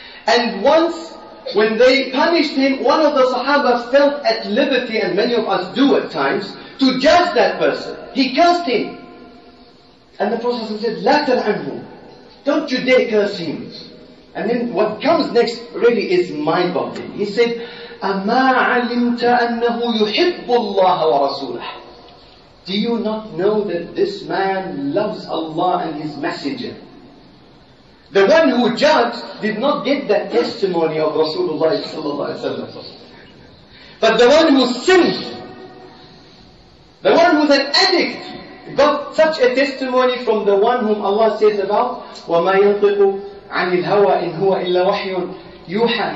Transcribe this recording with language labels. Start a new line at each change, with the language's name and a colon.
English: And once, when they punished him, one of the Sahaba felt at liberty, and many of us do at times, to judge that person. He cursed him. And the Prophet said,
Arabic: لا تلعنه.
English: Don't you dare curse him. And then what comes next really is mind-boggling.
Arabic: He said, أَمَا عَلِمْتَ أَنَّهُ يُحِبُّ اللَّهَ وَرَسُولَهُ.
English: Do you not know that this man loves Allah and His Messenger? The one who judged did not get that testimony of Rasulullah sallallahu alayhi wa sallam. But the one who sinned, the one who's an addict, got such a testimony from the one whom Allah says about,
Arabic: وَمَا يَنطِقُ عَنِ الْهَوَىٰ إِنْ هُوَ إِلَّا وَحْيٌ يُوحَىٰ.